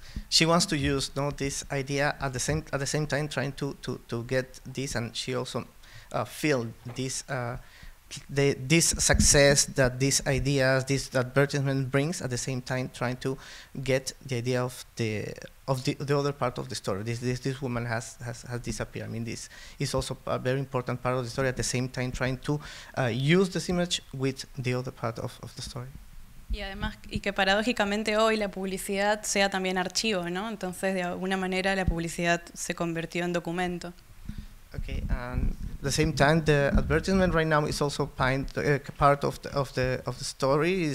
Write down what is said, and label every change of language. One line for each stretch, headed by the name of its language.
English: She wants to use, no, this idea at the same time trying to get this, and she also feel this this success that these ideas, this advertisement brings, at the same time trying to get the idea of the other part of the story. This woman has disappeared. I mean, this is also a very important part of the story, at the same time trying to use this image with the other part of the story.
Spanish: Y además, y que paradójicamente hoy la publicidad sea también archivo, ¿no? Entonces, de alguna manera, la publicidad se convirtió en documento.
English: Okay, and at the same time, the advertisement right now is also part of the story.